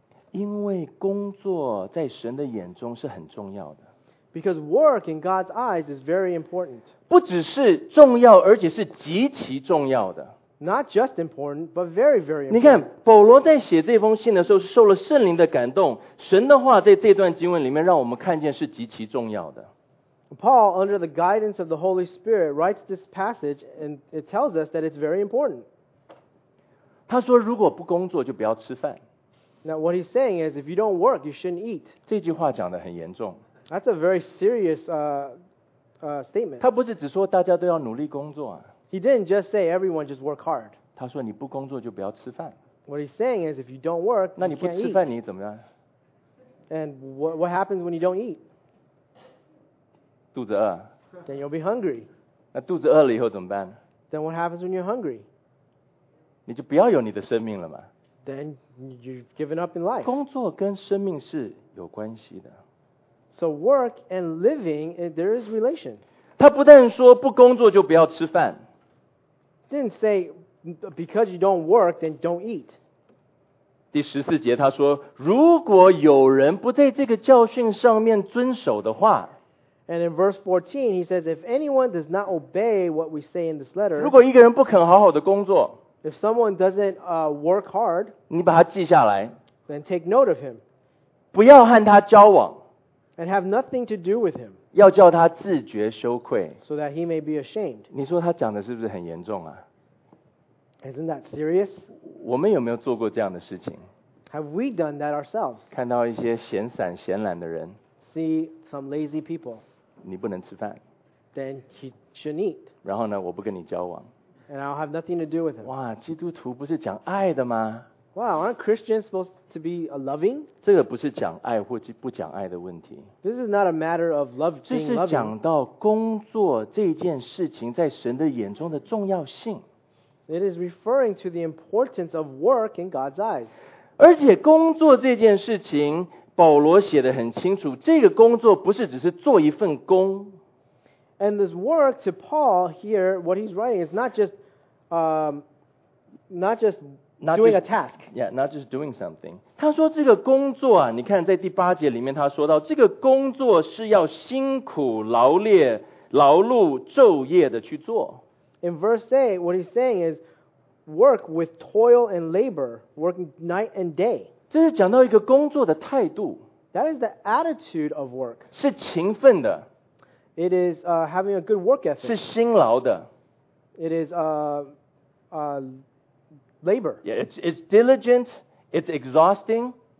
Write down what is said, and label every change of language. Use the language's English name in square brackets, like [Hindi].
[Chinese] 因为工作在神的眼中是很重要的。 [English] Because work in God's eyes is very important. [Chinese] 不只是重要，而且是极其重要的。 [English] Not just important, but very, very important. [Chinese] 你看，保罗在写这封信的时候，是受了圣灵的感动。神的话在这段经文里面，让我们看见是极其重要的。 [English] Paul, under the guidance of the Holy Spirit, writes this passage, and it tells us that it's very important. [Chinese] 他说，如果不工作，就不要吃饭。 [English] Now, what he's saying is, if you don't work, you shouldn't eat. [Chinese] 这句话讲得很严重。 [English] That's a very serious statement. [Chinese] 他不是只说大家都要努力工作啊。 [English] He didn't just say everyone just work hard. [Chinese] 他说你不工作就不要吃饭。 [English] What he's saying is if you don't work, you can't eat. [Chinese] 那你不吃饭你怎么样？ [English] And what happens when you don't eat? [Chinese] 肚子饿。 [English] Then you'll be hungry. [Chinese] 那肚子饿了以后怎么办？ [English] Then what happens when you're hungry? [Chinese] 你就不要有你的生命了嘛。 [English] Then you've given up in life. [Chinese] 工作跟生命是有关系的。 [English] So work and living, there is relation. [Chinese] 他不但说不工作就不要吃饭。 [English] Didn't say because you don't work, then don't eat. [Chinese] 第十四节他说，如果有人不在这个教训上面遵守的话。 [English] And in verse 14, he says, if anyone does not obey what we say in this letter, [Chinese] 如果一个人不肯好好的工作， [English] if someone doesn't work hard, [Chinese] 你把他记下来， [English] then take note of him. [Chinese] 不要和他交往， [English] and have nothing to do with him. [Chinese] 要叫他自觉羞愧， [English] so that he may be ashamed. [Chinese] 你说他讲的是不是很严重啊？ [English] Isn't that serious? [Chinese] 我们有没有做过这样的事情？ [English] Have we done that ourselves? [Chinese] 看到一些闲散闲懒的人， [English] see some lazy people. [Chinese] 你不能吃饭。 [English] Then he shouldn't eat. [Chinese] 然后呢，我不跟你交往。 [English] And I'll have nothing to do with him. [Chinese] 哇，基督徒不是讲爱的吗？ [English] Wow, aren't Christians supposed to be loving? [Chinese] 这个不是讲爱或不讲爱的问题。 [English] This is not a matter of love being loving. [Chinese] 这是讲到工作这件事情在神的眼中的重要性。 [English] It is referring to the importance of work in God's eyes. [Chinese] 而且工作这件事情保罗写得很清楚，这个工作不是只是做一份工。 [English] And this work to Paul here, what he's writing is not just doing a task. Yeah, not just doing something. [Chinese] 他说这个工作啊，你看在第八节里面他说到，这个工作是要辛苦劳力劳碌昼夜的去做。 [English] In verse 8, what he's saying is work with toil and labor, work night and day. [Chinese] 这是讲到一个工作的态度。 [English] That is the attitude of work. [Chinese] 是勤奋的。 [English] It is having a good work ethic. [Chinese] 是辛劳的。 [English] It is labor. Yeah, it's diligent. It's exhausting.